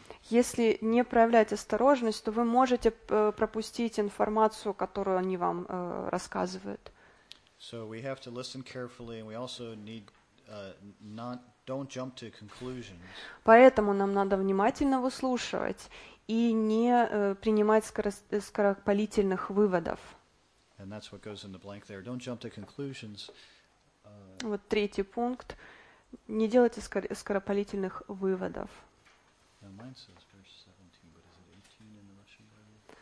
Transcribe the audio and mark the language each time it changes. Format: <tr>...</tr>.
<ru>Если не проявлять осторожность, то вы можете пропустить информацию, которую они вам рассказывают.</ru> <en>So we have to listen carefully, and we also need not don't jump to conclusions.</en> <ru>Поэтому нам надо внимательно выслушивать и не принимать скоропалительных выводов.</ru> <en>And that's what goes in the blank there. Don't jump to conclusions.</en> <ru>Вот третий пункт. Не делайте скоропалительных выводов.</ru> <en>Now mine says verse 17, but is it 18 in the Russian Bible?</en>